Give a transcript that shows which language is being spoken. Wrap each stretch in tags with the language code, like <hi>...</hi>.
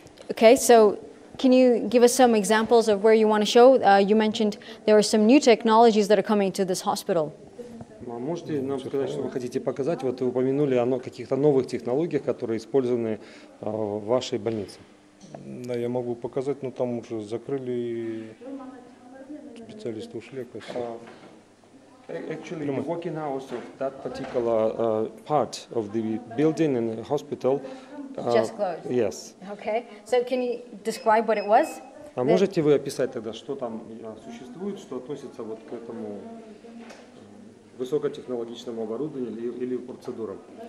<en>Okay, so can you give us some examples of where you want to show? You mentioned there are some new technologies that are coming to this hospital.</en> <ru>Можете нам сказать, что вы хотите показать? Вот вы упомянули о каких-то новых технологиях, которые использованы в вашей больнице. Да, я могу показать, но там уже закрыли, специалисты ушли.</ru> <en>Actually, the working hours of that particular part of the building and the hospital just closed. Yes. Okay. So can you describe what it was?</en> <ru>А можете вы описать тогда, что там существует, что относится вот к этому высокотехнологичному оборудованию или процедурам?</ru>